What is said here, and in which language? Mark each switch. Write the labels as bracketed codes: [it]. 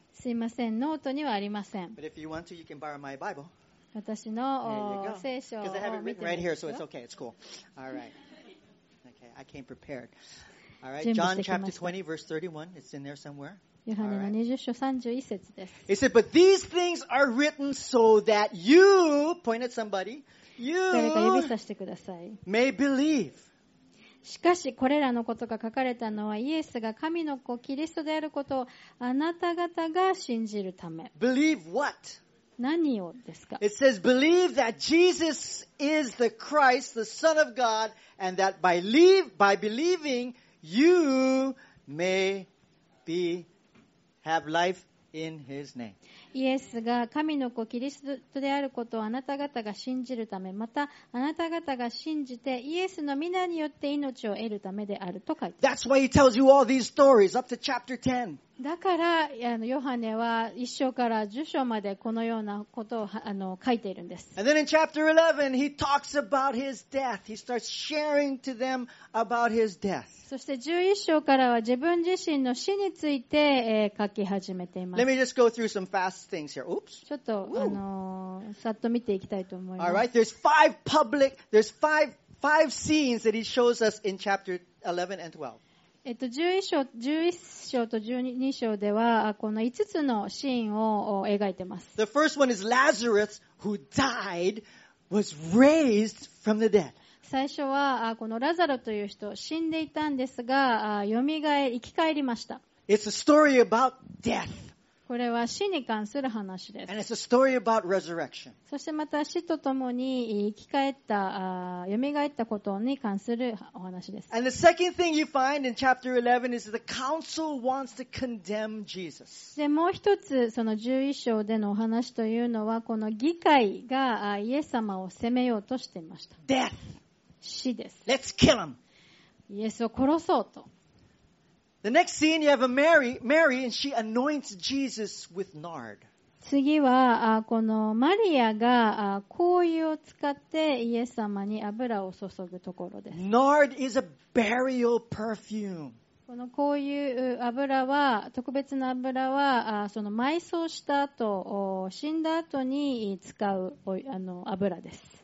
[ja] すいませんノートにはありません。 [en] But if you want to, you can borrow my Bible. [ja] 私の聖書を見てみますよ。 [en] Because I have it right here, so it's okay, it's cool. All right. Okay, I came prepared. All right, John chapter 20, verse 31. It's in there somewhere. [ja] ヨハネの20章31節です。 [en] He said, but these things are written so that you, point at somebody, you [ja] 誰か指さしてください。 [en] may believe. [ja] しかしこれらのことが書かれたのはイエスが神の子キリストであることをあなた方が信じるため。 [en] Believe what? [ja] 何をですか? [en] It says, believe that Jesus is the Christ, the Son of God, and that by believing, you may have life in His name. [ja] イエスが神の子キリストであることをあなた方が信じるため、またあなた方が信じてイエスの御名によって命を得るためであると書いています [en] That's why he tells you all these stories up to chapter 10. [ja] だからヨハネは一章から十章までこのようなことを書いているんです。 [en] And then in chapter 11, he talks about his death. He starts sharing to them about his death. [ja] そして11章からは自分自身の死について書き始めています。 [en] Let me just go through some fast things here. Oops. [ja] ちょっとさっと見ていきたいと思います。 [en] All right. There's five public. There's five scenes that he shows us in chapter 11 and 12. [ja] 11章と12章ではこの5つのシーンを描いてます。 [en] The first one is Lazarus, who died, was raised from the dead. [ja] 最初はこのラザロという人、死んでいたんですが、よみがえ、生き返りました。 [en] It's a story about death. [ja] これは死に関する話です。 [en] And it's a story about resurrection. [ja] そしてまた死とともに生き返った、蘇ったことに関するお話です。 [en] And the second thing you find in chapter 11 is the council wants to condemn Jesus. [ja] で、もう一つその11章でのお話というのはこの議会がイエス様を責めようとしていました。 [en] Death. [ja] 死です。 [en] Let's kill him. [ja] イエスを殺そうと。 [en] The next scene, you have a Mary, and she anoints Jesus with nard. [ja] 次はこのマリアが香油を使ってイエス様に油を注ぐところです。 [en] Nard is a burial perfume. [ja] この香油油は特別な油はその埋葬した後死んだ後に使う油です。